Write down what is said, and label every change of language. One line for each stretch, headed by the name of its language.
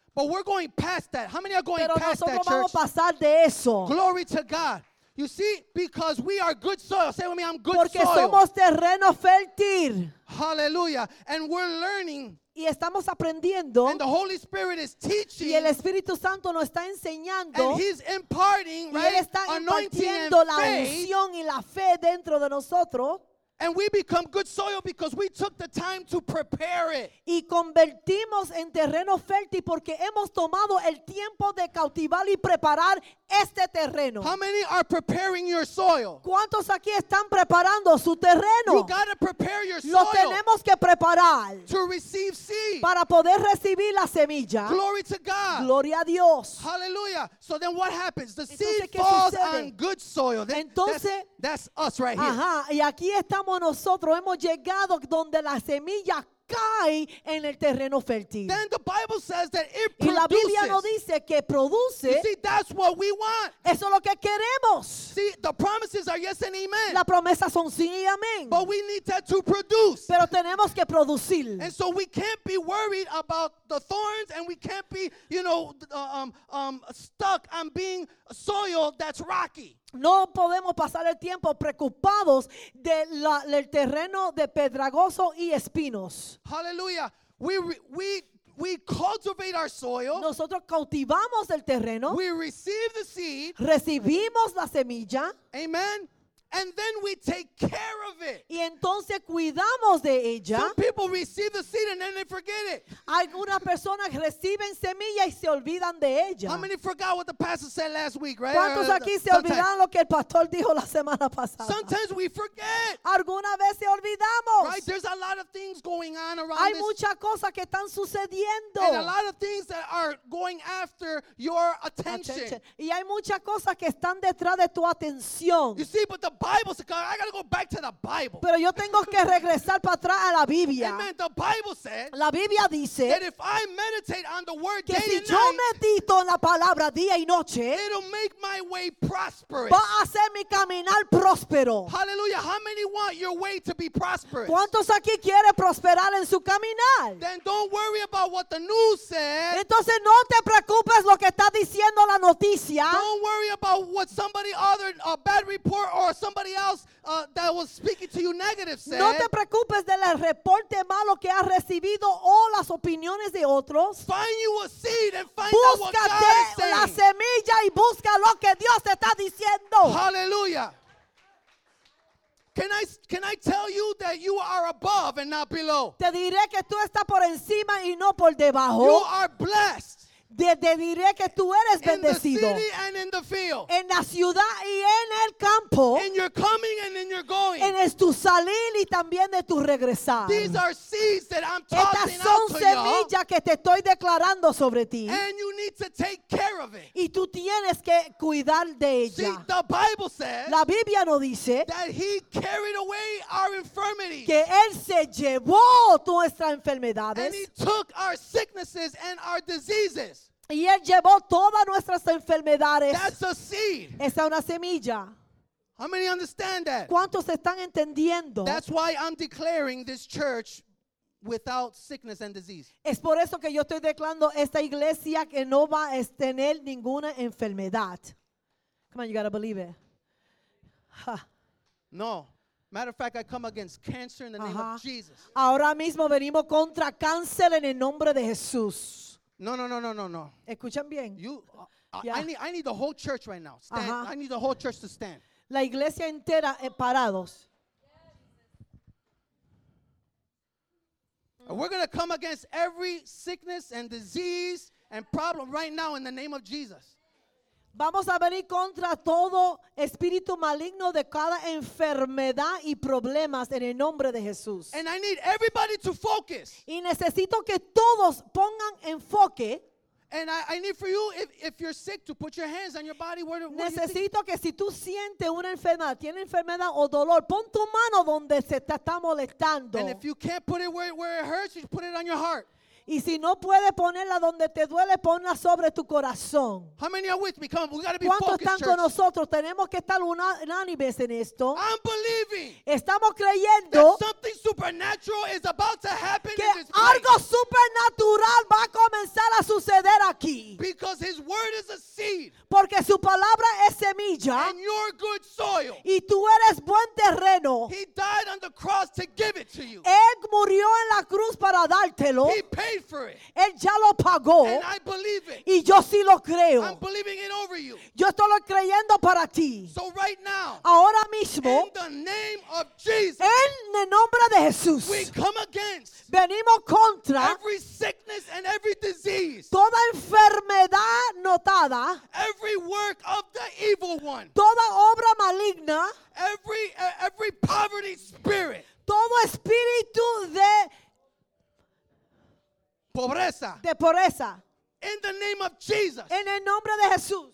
English: But we're going past that. How many are going
Spanish: Pero
English: past that,
Spanish: vamos
English: church?
Spanish: A pasar de eso.
English: Glory to God. You see, because we are good soil. Say with me, I'm good
Spanish: Porque
English: soil.
Spanish: Porque somos terreno fértil.
English: Hallelujah. And we're learning.
Spanish: Y estamos aprendiendo.
English: And the Holy Spirit is teaching.
Spanish: Y el Espíritu Santo nos está enseñando.
English: And he's imparting, right?
Spanish: Y él está impartiendo la unción y la fe dentro de nosotros.
English: And we become good soil because we took the time to prepare it.
Spanish: Y convertimos en terreno fértil porque hemos tomado el tiempo de cautivar y preparar este terreno?
English: How many are preparing your soil?
Spanish: ¿Cuántos aquí están preparando su terreno?
English: You gotta prepare your soil.
Spanish: Lo tenemos que preparar.
English: To receive seed.
Spanish: Para poder recibir la semilla.
English: Glory to God.
Spanish: Gloria a Dios.
English: Hallelujah. So then what happens? The seed falls on good soil.
Spanish: Entonces,
English: that's us right here.
Spanish: Ajá, y aquí estamos nosotros. Hemos llegado donde la semilla cae en el terreno fértil.
English: Then the Bible says that it produces.
Spanish: Y la Biblia nos dice que produce.
English: You see, that's what we want.
Spanish: Eso es lo que queremos.
English: See, the promises are yes and amen.
Spanish: Las promesas son sí y amén.
English: But we need to produce.
Spanish: Pero tenemos que producir.
English: And so we can't be worried about the thorns, and we can't be, you know, stuck on being soil that's rocky.
Spanish: No podemos pasar el tiempo preocupados de del terreno de pedregoso y espinos.
English: Hallelujah. We cultivate our soil.
Spanish: Nosotros cultivamos el terreno.
English: We receive the seed.
Spanish: Recibimos la semilla.
English: Amen. And then we take care of it.
Spanish: Y entonces cuidamos de ella.
English: Some people receive the seed and then they forget it.
Spanish: Algunas personas reciben semilla y se olvidan de ella.
English: How many forgot what the pastor said last week, right?
Spanish: ¿Cuántos aquí se olvidaron lo que el pastor dijo la semana pasada?
English: Sometimes we forget.
Spanish: Algunas veces olvidamos.
English: Right? There's a lot of things going on around.
Spanish: Hay muchas cosas que están sucediendo.
English: And a lot of things that are going after your attention.
Spanish: Y hay muchas cosas que están detrás de tu atención.
English: You see, but the Bible says, I gotta go back to the Bible.
Spanish: Pero yo tengo que regresar para atrás a la Biblia.
English: Amen. The Bible said,
Spanish: la Biblia dice
English: that if I meditate on the word
Spanish: que
English: day
Spanish: si
English: and
Spanish: yo
English: night,
Spanish: medito en la palabra día y noche, it'll make my way prosperous. Va a hacer mi caminar próspero.
English: Hallelujah. How many want your way to be prosperous?
Spanish: ¿Cuántos aquí quiere prosperar en su caminar?
English: Then don't worry about what the news said.
Spanish: Entonces no te preocupes lo que está diciendo la noticia.
English: Don't worry about what somebody other a bad report or somebody else that was speaking to you negative said.
Spanish: No te preocupes del reporte malo que has recibido o las opiniones de otros.
English: Find you a seed and find
Spanish: búscate
English: out what God is saying.
Spanish: La semilla y busca lo que Dios está diciendo.
English: Hallelujah. Can I tell you that you are above and not below?
Spanish: Te diré que tú estás por encima y no por debajo.
English: You are blessed.
Spanish: Te diré que tú eres bendecido.
English: In the city and in the field.
Spanish: En la ciudad y en el campo.
English: In your coming and in your going.
Spanish: En tu salir y también de tu regresar.
English: These are seeds that I'm tossing out to
Spanish: Estas son semillas que te estoy declarando sobre ti.
English: And you need to take care of it.
Spanish: Y tú tienes que cuidar de ella.
English: See, the Bible says.
Spanish: La Biblia nos dice.
English: That he carried away our infirmities.
Spanish: Que él se llevó nuestras enfermedades.
English: And he took our sicknesses and our diseases.
Spanish: Y él llevó todas nuestras enfermedades.
English: That's a seed.
Spanish: Esa es una semilla.
English: How many understand that?
Spanish: ¿Cuántos están entendiendo?
English: That's why I'm declaring this church without sickness and disease.
Spanish: Es por eso que yo estoy declarando esta iglesia que no va a tener ninguna enfermedad.
English: Come on, you gotta believe it.
Spanish: No.
English: Matter of fact, I come against cancer in the name of Jesus.
Spanish: Ahora mismo venimos contra cáncer en el nombre de Jesús. No. Escuchan bien.
English: I need the whole church right now. Stand. Uh-huh. I need the whole church to stand.
Spanish: La iglesia entera parados.
English: Yes. We're going to come against every sickness and disease and problem right now in the name of Jesus.
Spanish: Vamos a venir contra todo espíritu maligno de cada enfermedad y problemas en el nombre de Jesús.
English: And I need everybody to focus.
Spanish: Y necesito que todos pongan enfoque.
English: And I need for you, if you're sick, to put your hands on your body. Where
Spanish: necesito que si tú sientes una enfermedad, tiene enfermedad o dolor, pon tu mano donde se te está molestando.
English: And if you can't put it where it hurts, you put it on your heart.
Spanish: Y si no puedes ponerla donde te duele, ponla sobre tu corazón.
English: How many are with me? Come on, we gotta be
Spanish: ¿cuántos
English: focused,
Spanish: están
English: church?
Spanish: Con nosotros? Tenemos que estar unánimes en esto.
English: I'm believing.
Spanish: Estamos creyendo.
English: That something supernatural is about to happen
Spanish: que
English: in this place.
Spanish: Algo supernatural va a comenzar a suceder aquí.
English: Because his word is a seed.
Spanish: Porque su palabra es semilla.
English: And you're good soil.
Spanish: Y tú eres buen terreno.
English: He died on the cross to give it to you.
Spanish: Él murió en la cruz para dártelo.
English: He paid for it.
Spanish: Él ya lo pagó.
English: And I believe it.
Spanish: Y yo sí lo creo.
English: I'm believing it over you.
Spanish: Yo estoy lo creyendo para ti.
English: So right now.
Spanish: Ahora mismo.
English: In the name of Jesus.
Spanish: En el nombre de Jesús.
English: We come against.
Spanish: Venimos contra.
English: Every sickness. sickness and every disease.
Spanish: Toda enfermedad notada.
English: Every work of the evil one.
Spanish: Toda obra maligna.
English: Every poverty spirit.
Spanish: Todo espíritu de pobreza. De pobreza.
English: In the name of Jesus.
Spanish: En el nombre de Jesús.